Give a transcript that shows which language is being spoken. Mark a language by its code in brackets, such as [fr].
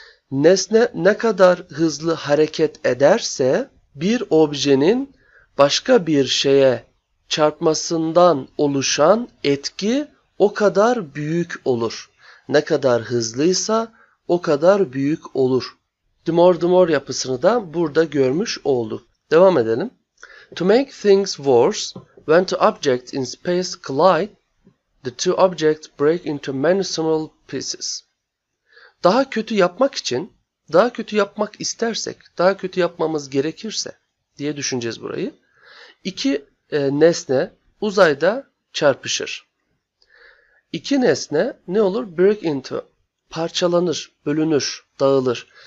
[tr] Nesne ne kadar hızlı hareket ederse bir objenin başka bir şeye çarpmasından oluşan etki o kadar büyük olur. Ne kadar hızlıysa o kadar büyük olur. The more, the more yapısını da burada görmüş olduk. Devam edelim. [en] To make things worse, when two objects in space collide, the two objects break into many small pieces. [tr] Daha kötü yapmak için, daha kötü yapmak istersek, daha kötü yapmamız gerekirse diye düşüneceğiz burayı. İki nesne uzayda çarpışır. İki nesne ne olur? Break into, parçalanır, bölünür, dağılır.